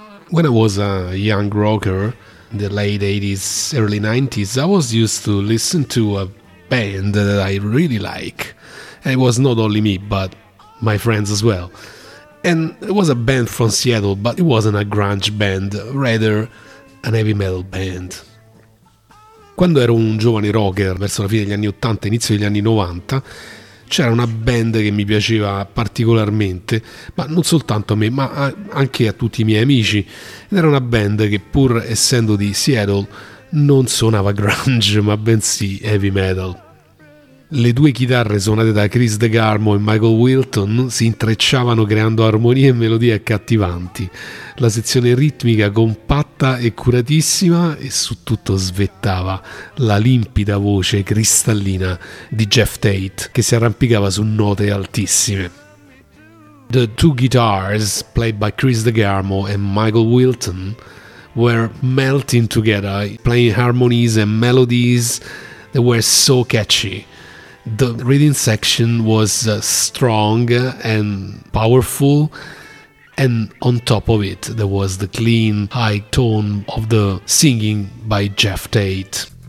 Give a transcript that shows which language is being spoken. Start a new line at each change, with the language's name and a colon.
English: When I was a young rocker in the late 80s, early 90s, I was used to listen to a band that I really like. And it was not only me, but my friends as well. And it was a band from Seattle, but it wasn't a grunge band, rather an heavy metal band.
Italian: Quando ero un giovane rocker, verso la fine degli anni 80, inizio degli anni 90, c'era una band che mi piaceva particolarmente, ma non soltanto a me, ma anche a tutti i miei amici. Ed era una band che, pur essendo di Seattle, non suonava grunge, ma bensì heavy metal. Le due chitarre suonate da Chris DeGarmo e Michael Wilton si intrecciavano creando armonie e melodie accattivanti. La sezione ritmica compatta e curatissima e su tutto svettava la limpida voce cristallina di Jeff Tate che si arrampicava su note altissime.
English: The two guitars played by Chris DeGarmo and Michael Wilton were melting together, playing harmonies and melodies that were so catchy. The rhythm section was strong and powerful, and on top of it there was the clean high tone of the singing by Jeff Tate.